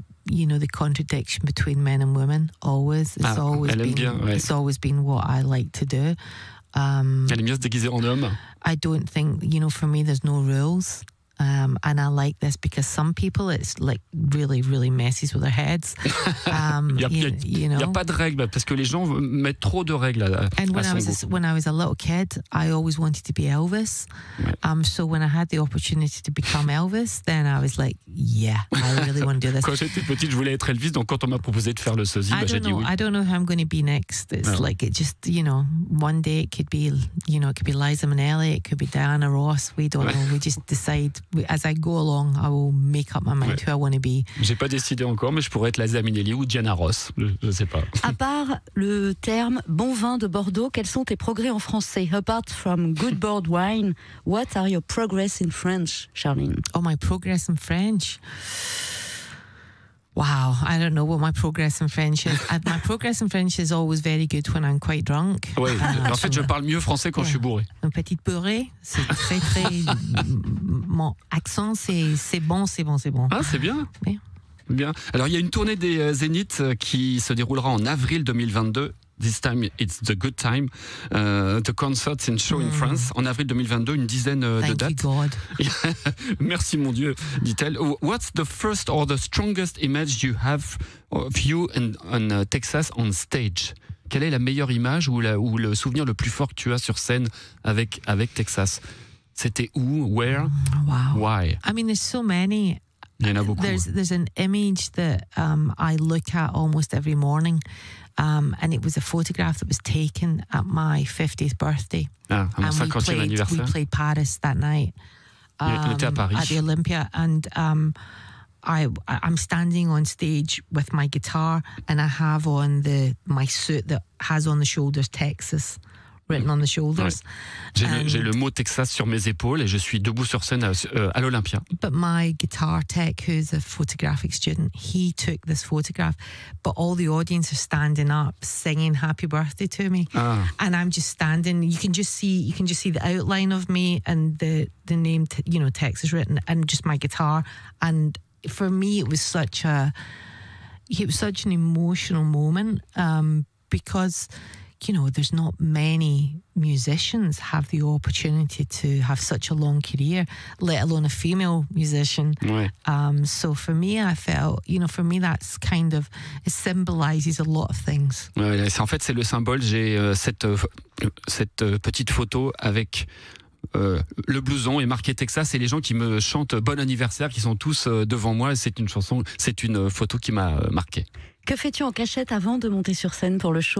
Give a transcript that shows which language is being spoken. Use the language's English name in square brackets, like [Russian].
[English] You know, the contradiction between men and women, always. It's always been what I like to do. [French] Elle aime bien se déguiser en homme. [English] I don't think, you know, for me, there's no rules. And I like this because some people, it's like really, really messes with their heads. [French] Il n'y a pas de règles, parce que les gens mettent trop de règles. [English] When I was a little kid, I always wanted to be Elvis. [French] Ouais. [English] So when I had the opportunity to become Elvis, then I was like, yeah, I really want to do this. [French] Quand j'étais petite, je voulais être Elvis, donc quand on m'a proposé de faire le sosie, j'ai dit oui. [English] I don't know who I'm going to be next. It's like, it just, you know, one day it could be, you know, it could be Liza Minnelli, it could be Diana Ross. We don't know. We just decide. as I go along, I will make up my mind who I want to be. [French] J'ai pas décidé encore, mais je pourrais être Liza Minnelli ou Diana Ross, je sais pas. À part le terme bon vin de Bordeaux, quels sont tes progrès en français? [English] Apart from good Bordeaux wine, what are your progress in French, Charline? Oh, my progress in French. Wow, I don't know what my progress in French is. My progress in French is always very good when I'm quite drunk. [French] Oui, en fait, je parle mieux français quand je suis bourré. Une petite beurrée, c'est très, très... mon accent, c'est bon. Ah, c'est bien. Bien. Alors, il y a une tournée des Zénith qui se déroulera en avril 2022. [English] This time, it's the good time. The concerts and show in France. [French] En avril 2022, une dizaine de dates. [English] Thank you, God. [French] Merci, mon Dieu, dit-elle. [English] What's the first or the strongest image you have of you in Texas on stage? [French] Quelle est la meilleure image ou le souvenir le plus fort que tu as sur scène avec Texas? C'était où, [English] where, why? I mean, there's so many. [French] Il y en a beaucoup. [English] There's an image that I look at almost every morning. And it was a photograph that was taken at my 50th birthday. [French] Ah, à mon 50e anniversaire. [English] We played Paris that night. [French] On était à Paris. [English] At the Olympia. And I'm standing on stage with my guitar and I have on my suit that has on the shoulders Texas written on the shoulders. [French] Ouais. J'ai le mot Texas sur mes épaules et je suis debout sur scène à l'Olympia. [English] But my guitar tech, who's a photographic student, he took this photograph, but all the audience are standing up singing happy birthday to me. Ah. And I'm just standing, you can just see the outline of me and the name, you know, Texas written, and just my guitar. And for me, it was such an emotional moment because... You know, there's not many musicians have the opportunity to have such a long career, let alone a female musician. [French] Ouais. [English] So for me, I felt, you know, for me, that's kind of, it symbolizes a lot of things. [French] Ouais, en fait, c'est le symbole. J'ai cette petite photo avec le blouson et marqué Texas et les gens qui me chantent bon anniversaire, qui sont tous devant moi. C'est une chanson, c'est une photo qui m'a marqué. Que fais-tu en cachette avant de monter sur scène pour le show?